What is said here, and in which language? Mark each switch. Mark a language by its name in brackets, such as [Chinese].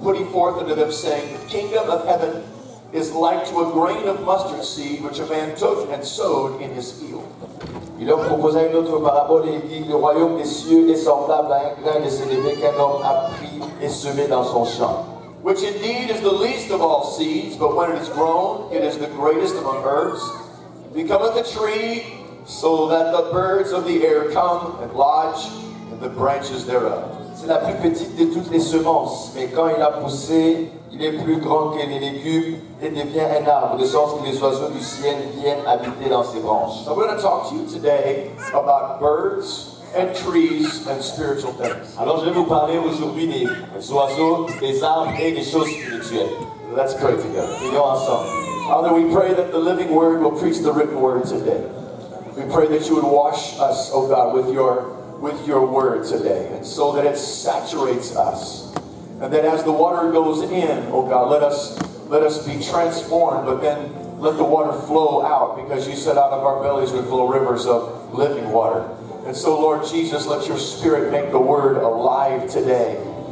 [English] Putting forth unto them, saying, The kingdom of heaven is like to a grain of mustard seed, which a man took and sowed in his field. [French] Il leur proposa une autre parabole et dit, Le royaume des cieux est semblable à un grain de sénévé qu'un homme a pris et semé dans son champ. [English] Which indeed is the least of all seeds, but when it is grown, it is the greatest among herbs. It becometh a tree, so that the birds of the air come and lodge in the branches thereof. [French] C'est la plus petite de toutes les semences, mais quand il a poussé, il est plus grand que les légumes et devient un arbre, de sorte que les oiseaux du ciel viennent habiter dans ses branches. [English] So we're going to talk to you today about birds and trees and spiritual things. [French] Alors je vais vous parler aujourd'hui des oiseaux, des arbres et des choses spirituelles. [English] Let's pray together. [French] Prions ensemble. [English] Father, we pray that the living word will preach the written word today. We pray that you would wash us, oh God, with your word today, and so that it saturates us, and that as the water goes in, oh God, let us be transformed, but then let the water flow out, because you said out of our bellies would flow rivers of living water. And so, Lord Jesus, let your spirit make the word alive today,